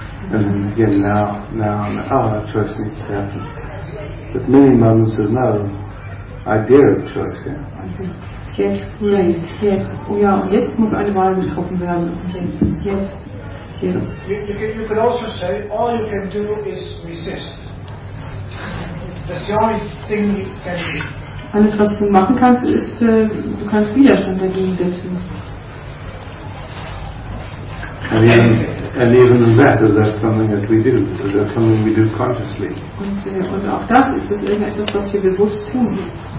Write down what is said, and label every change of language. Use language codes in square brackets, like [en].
[en] And then again, now, a choice needs to happen. But many moments of no idea of choice, yeah. [de] Also, jetzt, oh ja, und jetzt muss eine Wahl getroffen werden. Jetzt. [en] You could also say all you can do is resist. That's the only thing you can do. [de] Alles was du machen kannst, ist du kannst Widerstand dagegen setzen. [en] And even that, is that something that we do? Is that something we do consciously? [de] Und auch das ist das irgendetwas, was wir bewusst tun.